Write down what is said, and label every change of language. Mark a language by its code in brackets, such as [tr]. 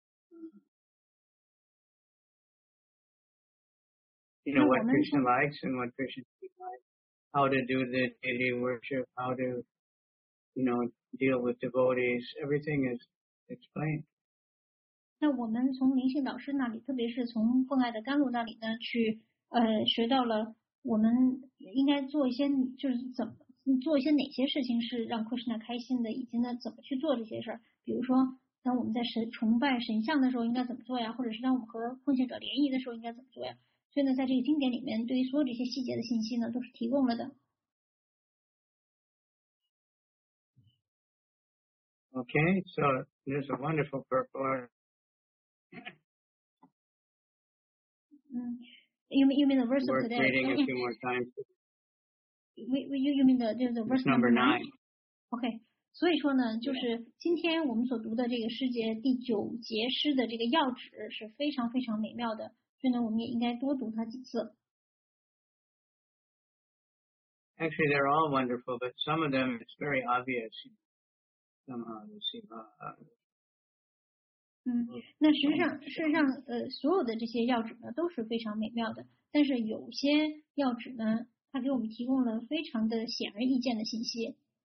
[en] 嗯、 you know what Krishna likes and what Krishna doesn't like, how to do the deity worship, how to, you know, deal with devotees, everything is explained. [zh] 那我们从灵性导师那里，特别是从奉爱的甘露那里呢，去学到了我们应该做一些，就是怎么做一些哪些事情是让 Krishna 开心的，以及呢怎么去做这些事儿。比如说，当我们在崇拜神像的时候应该怎么做呀？或者是当我们和奉献者联谊的时候应该怎么做呀？所以呢，在这个经典里面，对于所有这些细节的信息呢，都是提供了的。 [en] Okay, so there's a wonderful purport. You mean the verse of today? Reading a few more times. You mean the verse number nine? Okay. [zh] 所以说呢，就是今天我们所读的这个诗节第九节诗的这个要旨是非常非常美妙的，所以呢，我们也应该多读它几次。 [en] Actually, they're all wonderful, but some of them it's very obvious. Somehow you see how. [zh] 那实际上所有的这些要旨呢都是非常美妙的，但是有些要旨呢它给我们提供了非常的显而易见的信息。